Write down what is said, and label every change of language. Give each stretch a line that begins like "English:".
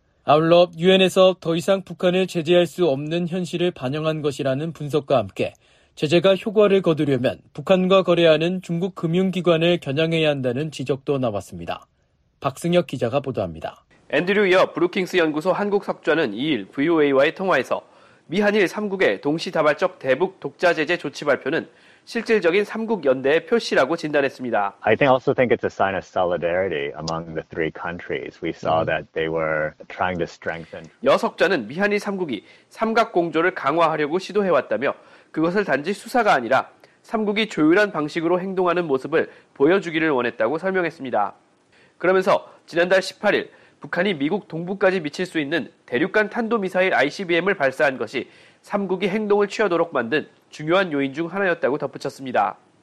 Korean: 아울러 유엔에서 더 이상 북한을 제재할 수 없는 현실을 반영한 것이라는 분석과 함께 제재가 효과를 거두려면 북한과 거래하는 중국 금융기관을 겨냥해야 한다는 지적도 나왔습니다. 박승혁 기자가 보도합니다. 앤드류 이어 브루킹스 연구소 한국 석좌는 2일 VOA와의 통화에서 미한일 3국의 동시다발적 대북 독자 제재 조치 발표는 실질적인 3국 연대의 표시라고 진단했습니다.
English: I think also think it's a sign of solidarity among the three countries. We saw that they were trying to strengthen.
Korean: 여석자는 미한일 3국이 삼각공조를 강화하려고 시도해 왔다며 그것을 단지 수사가 아니라 3국이 조율한 방식으로 행동하는 모습을 보여주기를 원했다고 설명했습니다. 그러면서 지난달 18일 북한이 미국 동부까지 미칠 수 있는 대륙간 탄도미사일 ICBM을 발사한 것이 3국이 행동을 취하도록 만든 중요한 요인 중 하나였다고 덧붙였습니다.